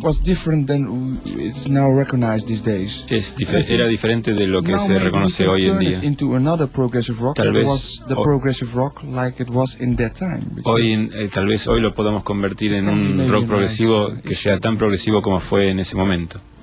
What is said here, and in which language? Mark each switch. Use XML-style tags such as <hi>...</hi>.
<en>Was different than it's now recognized these days.</en> <es>Era diferente de lo que se reconoce hoy en día.</es> <en>Into another progressive rock.</en> <es>Tal vez.</es> <en>Was the progressive rock like it was in that time.</en> <es>Tal vez hoy lo podamos convertir en un rock progresivo que sea tan progresivo como fue en ese momento.</es>